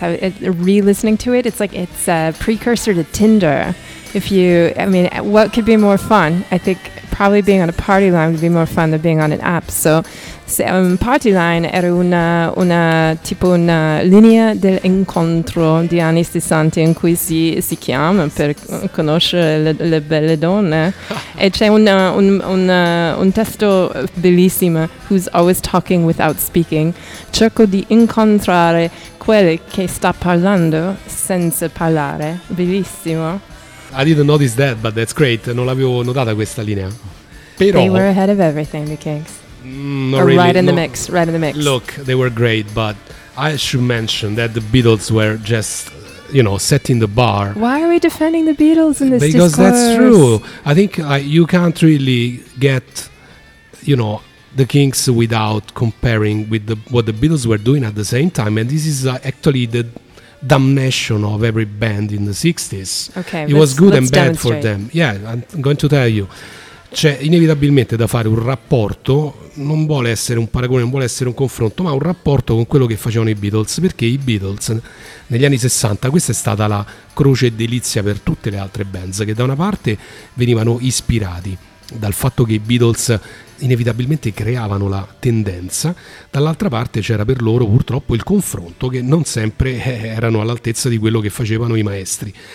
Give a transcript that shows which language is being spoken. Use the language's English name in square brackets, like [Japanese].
[English] Re-listening to it, it's like it's a precursor to Tinder. What could be more fun? I think probably being on a party line would be more fun than being on an app. [Italian] So, Party Line era una tipo una linea dell'incontro di anni 60 in cui si chiama per conoscere le belle donne. E c'è un testo bellissimo, Who's Always Talking Without Speaking. Cerco di incontrare quelle che sta parlando senza parlare. Bellissimo. [English] I didn't notice that, but that's great. [Italian] Non l'avevo notata questa linea. Però, [English] they were ahead of everything, the Kinks. Right in the mix. Look, they were great, but I should mention that the Beatles were just, you know, setting the bar. Why are we defending the Beatles in this because discourse? Because that's true. I think you can't really get, you know, the Kinks without comparing with what the Beatles were doing at the same time. And this is actually the damnation of every band in the 60s. Okay, it was good and bad for them. Yeah, I'm going to tell you. [Italian] C'è inevitabilmente da fare un rapporto, non vuole essere un paragone, non vuole essere un confronto, ma un rapporto con quello che facevano i Beatles, perché i Beatles negli anni 60, questa è stata la croce e delizia per tutte le altre bands, che da una parte venivano ispirati dal fatto che i Beatles inevitabilmente creavano la tendenza, dall'altra parte c'era per loro purtroppo il confronto, che non sempre erano all'altezza di quello che facevano i maestri.